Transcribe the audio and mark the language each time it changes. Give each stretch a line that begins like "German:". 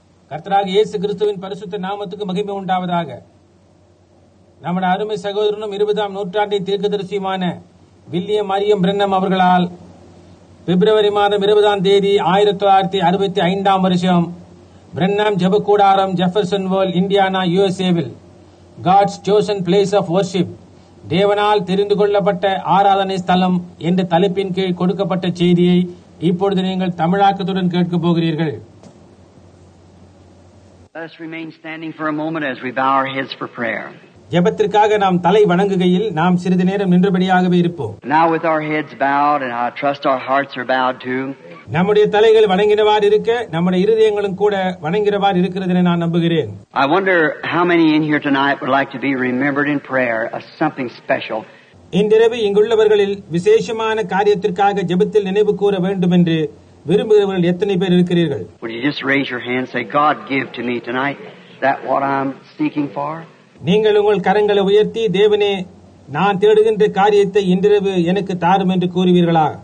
Tamil: கர்த்தராக இயேசு கிறிஸ்துவின் பரிசுத்த நாமத்துக்கு மகிமை உண்டாவதாக. நமது அருமை சகோதரனும் 20வது நூற்றாண்டின் தீர்க்கதரிசியுமான வில்லியம் மரியம் பிரென்னம் அவர்களால் பிப்ரவரி மாதம் 20வது தேதி 1965 வருஷம் பிரென்னம் ஜபக்கூடாரம் Jefferson world Indiana USAவில் God's chosen place of worship தேவனால் தெரிந்து கொள்ளப்பட்ட ஆராதனை ஸ்தலம் என்ற தலைப்பின் கீழ் கொடுக்கப்பட்ட செய்தியை இப்பொழுது நீங்கள் தமிழாக்கத்துடன் கேட்கப் போகிறீர்கள்.
English: Let's remain standing for a moment as we bow our heads for prayer.
Tamil: ஜெபத்திற்காக நாம் தலை வணங்குகையில் நாம் சிறிது நேரம் நின்றபடியாகவே இருப்போம்.
English: Now with our heads bowed and I trust our hearts are bowed too.
Tamil: நம்முடைய தலைகள் வணங்கினவாறு இருக்க நம்முடைய இருதயங்களும் கூட வணங்கினவாறு இருக்கிறது என நான் நம்புகிறேன்.
English: I wonder how many in here tonight would like to be remembered in prayer as something special.
Tamil: இன்றிரவு இங்குள்ளவர்களில் விசேஷமான காரியத்திற்காக ஜெபத்தில் நினைவு கூற வேண்டும் என்று விரும்புகிறவர்கள் எத்தனை பேர் இருக்கிறீர்கள்?
English: Would you just raise your hand and say, God, give to me tonight that what I'm seeking for?
Tamil: நீங்கள் உங்கள் கரங்களை உயர்த்தி, தேவனே, நான் தேடுகின்ற காரியத்தை இன்றிரவு எனக்கு தாரும் என்று கூறுவீர்களா?